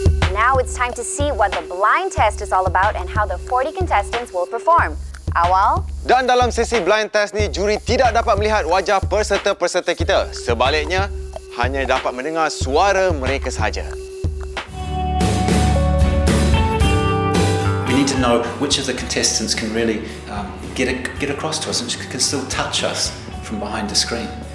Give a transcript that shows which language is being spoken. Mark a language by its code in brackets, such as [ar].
[en] Now it's time to see what the blind test is all about and how the 40 contestants will perform. [ms] Awal. Dan dalam sesi blind test ni, juri tidak dapat melihat wajah peserta-peserta kita. Sebaliknya, hanya dapat mendengar suara mereka sahaja. [en] We need to know which of the contestants can really get across to us and can still touch us from behind the screen.